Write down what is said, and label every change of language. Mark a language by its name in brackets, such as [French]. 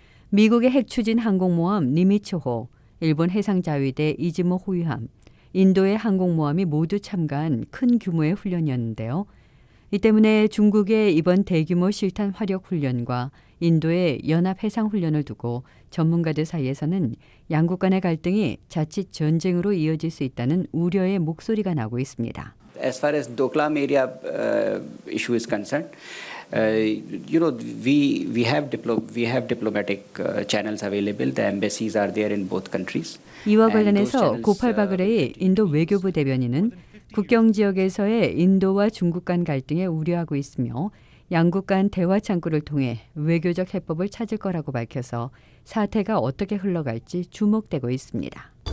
[Korean] 미국의 핵추진 항공모함 니미츠호, 일본 해상자위대 이즈모 호위함, 인도의 항공모함이 모두 참가한 큰 규모의 훈련이었는데요. 이 때문에 중국의 이번 대규모 실탄 화력 훈련과 인도의 연합해상훈련을 두고 전문가들 사이에서는 양국 간의 갈등이 자칫 전쟁으로 이어질 수 있다는 우려의 목소리가 나오고 있습니다. [English] As far as Doklam area issue is concerned, you know, we have diplomatic channels available. The embassies are there in both countries. [Korean] 이와 관련해서 고팔 바그레이 인도 외교부 대변인은 국경 지역에서의 인도와 중국 간 갈등에 우려하고 있으며 양국 간 대화 창구를 통해 외교적 해법을 찾을 거라고 밝혀서 사태가 어떻게 흘러갈지 주목되고 있습니다.